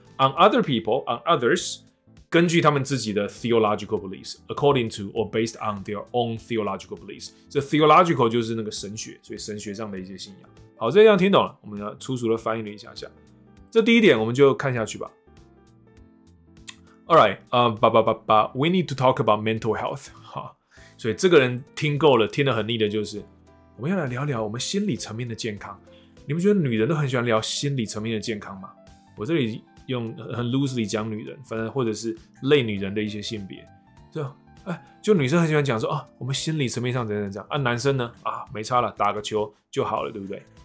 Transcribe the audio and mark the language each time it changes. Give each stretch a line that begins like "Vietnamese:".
English: On other people, on others,
Chinese: 根据他们自己的
English: theological beliefs, according to or based on their own theological beliefs.
Chinese: So theological 就是那个神学，所以神学上的一些信仰。好，这样听懂了，我们要粗俗的翻译了一下下。这第一点我们就看下去吧。
English: Alright, we need to talk about mental health.
Chinese: 所以这个人听够了，听得很腻的就是，我们要来聊聊我们心理层面的健康。你们觉得女人都很喜欢聊心理层面的健康吗？我这里用很 loosely 讲女人，反正或者是类女人的一些性别，就女生很喜欢讲说啊，我们心理层面上怎样怎样啊，男生呢啊，没差了，打个球就好了，对不对？